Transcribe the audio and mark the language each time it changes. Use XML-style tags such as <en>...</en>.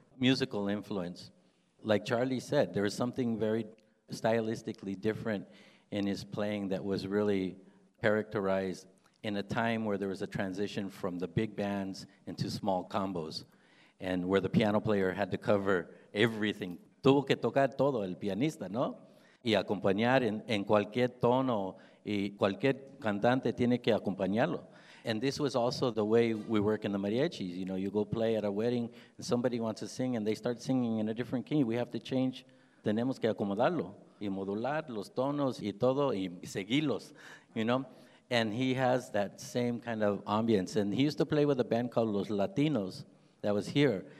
<en>musical influence. Like Charlie said, there was something very stylistically different in his playing that was really characterized in a time where there was a transition from the big bands into small combos, and where the piano player had to cover everything.</en> <es>Tuvo que tocar todo el pianista, ¿no? Y acompañar en cualquier tono, y cualquier cantante tiene que acompañarlo.</es> <en>And this was also the way we work in the mariachis. You know, you go play at a wedding, and somebody wants to sing, and they start singing in a different key. We have to change.</en> <es>Tenemos que acomodarlo, y modular los tonos, y todo, y seguirlos,</es> <en>you know? And he has that same kind of ambience. And he used to play with a band called Los Latinos that was here.</en>